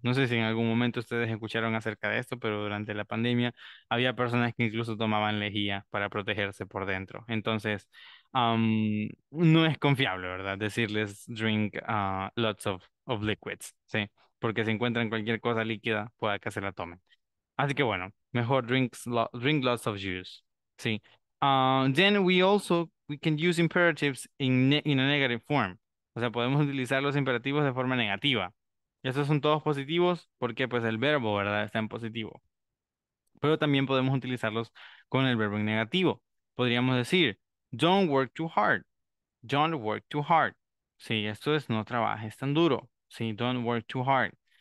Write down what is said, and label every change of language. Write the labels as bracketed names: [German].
[Spanish] No sé si en algún momento ustedes escucharon acerca de esto, pero durante la pandemia había personas que incluso tomaban lejía para protegerse por dentro. Entonces, no es confiable, ¿verdad? Decirles [English] drink lots of liquids, [Spanish] ¿sí? Porque si encuentran cualquier cosa líquida, pueda que se la tomen. Así que bueno, mejor [English] drink lots of juice, [Spanish] ¿sí? [English] Then we can use imperatives in a negative form. [Spanish] O sea, podemos utilizar los imperativos de forma negativa. Estos son todos positivos porque pues el verbo, ¿verdad? Está en positivo. Pero también podemos utilizarlos con el verbo en negativo. Podríamos decir, [English] don't work too hard. Don't work too hard. [Spanish] Sí, esto es no trabajes tan duro. Sí, [English] don't work too hard.